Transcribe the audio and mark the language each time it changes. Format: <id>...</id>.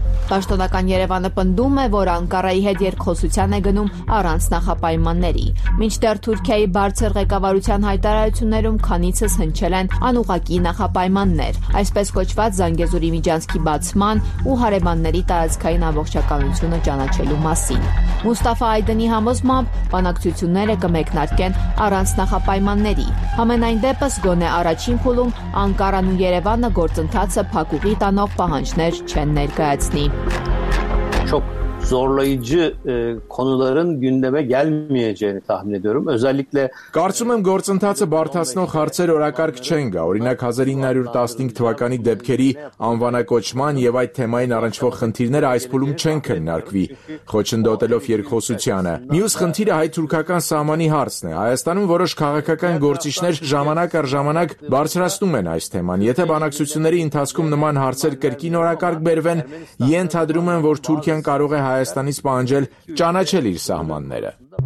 <hy>Պաշտոնական Երևանը պնդում է, որ Անկարայի հետ երկխոսության է գնում առանց նախապայմանների։ Մինչդեռ Թուրքիայի բարձր ղեկավարության հայտարարություններում քանիցս հնչել են անուղղակի նախապայմաններ, այսպես կոչված Զանգեզուրի միջանցքի բացման ու հարևանների տարածքային ամբողջականությունը ճանաչելու մասին։ Մուստաֆա Այդնի համոզմամբ բանակցությունները կմեկնարկեն առանց նախապայմանների։ Համենայն դեպս գոնե առաջին փուլում Անկարան ու Երևանը գործընթացը փակուղի տանող պահանջներ չեն ներկայացնի։</hy> <tr>Çok zorlayıcı konuların gündeme gelmeyeceğini tahmin ediyorum. Özellikle</tr> <hy>Կարծում եմ գործընթացը բարձրացնող հարցեր օրակարգ չեն գա, օրինակ 1915 թվականի դեպքերի անվանակոչման եւ այդ թեմային առնչվող խնդիրները այս փուլում չեն քննարկվի, խոչընդոտելով երկխոսությունը։ Մյուս խնդիրը հայ-թուրքական սահմանի հարցն է։ Հայաստանում որոշ քաղաքական գործիչներ ժամանակ առ ժամանակ բարձրացնում են այս թեման։ Եթե բանակցությունների ընթացքում նման հարցեր կրկին օրակարգ բերվեն, ենթադրում եմ, որ Թուրքիան կարող է Հայաստանից պահանջել ճանաչել իր սահմանները։</hy>